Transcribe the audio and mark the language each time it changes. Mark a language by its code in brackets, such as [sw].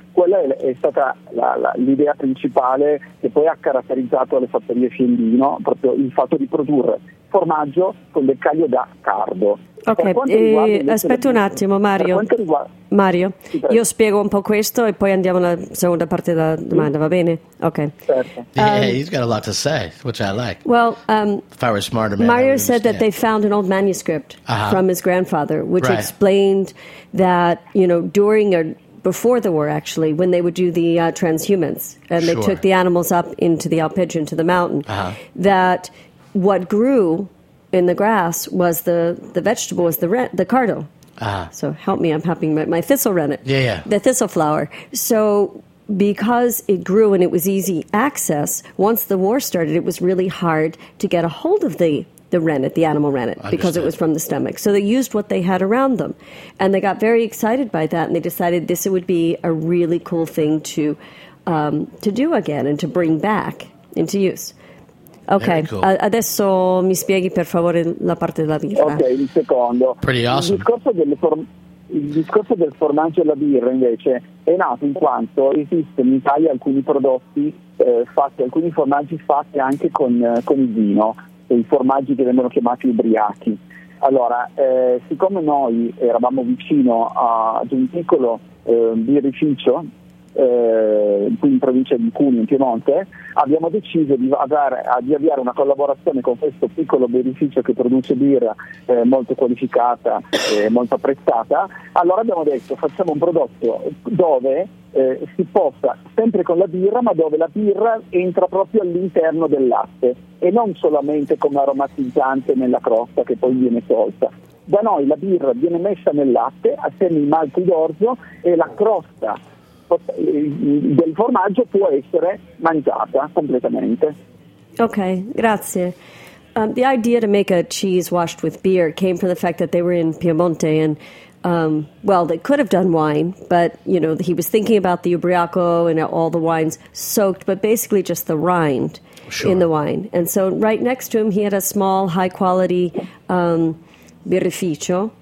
[it] Quella è stata l'idea principale che poi ha caratterizzato le fattorie Fiendino, proprio il fatto di produrre formaggio con del caglio da cardo. Ok, aspetta un attimo Mario, Mario, io spiego un po' questo e poi andiamo alla seconda parte della domanda, va bene? Ok. Certo. [en] Yeah, he's got a lot to say, which I like. Well, if I were a smarter man, Mario said understand. That they found an old manuscript uh-huh. from his grandfather, which right. explained that, you know, during or before the war, actually, when they would do the transhumance and sure. they took the animals up into the alpeggio, into the mountain, uh-huh. that what grew in the grass was the vegetable, was the cardo. Ah. So help me, I'm having my thistle rennet. Yeah, yeah. The thistle flower. So because it grew and it was easy access, once the war started, it was really hard to get a hold of the rennet, the animal rennet, understood. Because it was from the stomach. So they used what they had around them. And they got very excited by that, and they decided this would be a really cool thing to do again and to bring back into use. Ok, cool. [it] Adesso mi spieghi per favore la parte della birra. Ok, il secondo. [en] Pretty awesome. [it] Il discorso del formaggio alla birra invece è nato in quanto esistono in Italia alcuni prodotti fatti, alcuni formaggi fatti anche con il vino, i formaggi che vengono chiamati ubriachi. Allora, siccome noi eravamo vicino ad un piccolo birrificio, qui in provincia di Cuneo, in Piemonte, abbiamo deciso di avviare una collaborazione con questo piccolo birrificio che produce birra molto qualificata e molto apprezzata. Allora abbiamo detto facciamo un prodotto dove si possa, sempre con la birra, ma dove la birra entra proprio all'interno del latte e non solamente come aromatizzante nella crosta che poi viene tolta. Da noi la birra viene messa nel latte assieme ai malti d'orzo e la crosta del formaggio può essere mangiata completamente. Okay, grazie. [en] The idea to make a cheese washed with beer came from the fact that they were in Piemonte and well, they could have done wine, but you know, he was thinking about the ubriaco and all the wines soaked, but basically just the rind sure. in the wine. And so right next to him he had a small high quality birrificio.